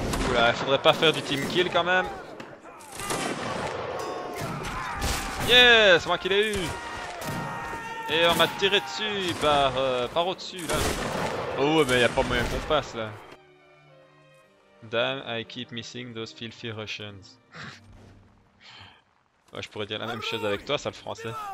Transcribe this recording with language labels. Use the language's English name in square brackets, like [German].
[French] Oula, il faudrait pas faire du team kill quand même. Yes, c'est moi qui l'ai eu. Et on m'a tiré dessus par au-dessus là. Oh ouais, mais y'a pas moyen qu'on passe là. [English] Damn, I keep missing those filthy Russians. [French] Ouais, je pourrais dire la même chose avec toi, sale français.